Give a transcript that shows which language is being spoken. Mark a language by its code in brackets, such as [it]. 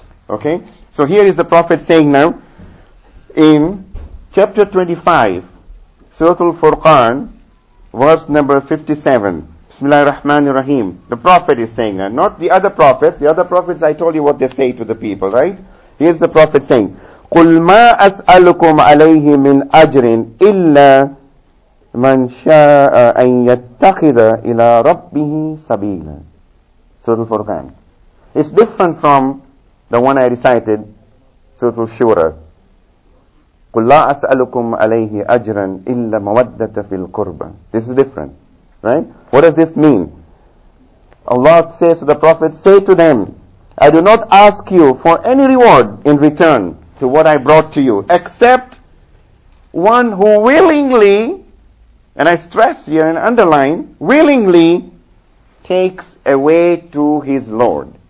[en] Okay, so here is the Prophet saying now, in chapter 25, Surah Al-Furqan, verse number 57, Bismillah ar-Rahman ar-Rahim. The Prophet is saying that, not the other prophets. The other prophets, I told you what they say to the people, right? Here's the Prophet saying, [ar] قُلْ مَا أَسْأَلُكُمْ عَلَيْهِ مِنْ أَجْرٍ إِلَّا مَنْ شَاءَ أَنْ يَتَّخِذَ إِلَىٰ رَبِّهِ سَبِيلًا. [en] Surah Al-Furqan. It's different from the one I recited, Surah Al-Shura. [ar] قُلْ لَا أَسْأَلُكُمْ عَلَيْهِ أَجْرًا إِلَّا مَوَدَّةَ فِي الْقُرْبَى. [en] This is different. Right? What does this mean? Allah says to the Prophet, say to them, I do not ask you for any reward in return to what I brought to you, except one who willingly, and I stress here and underline, willingly takes away to his Lord.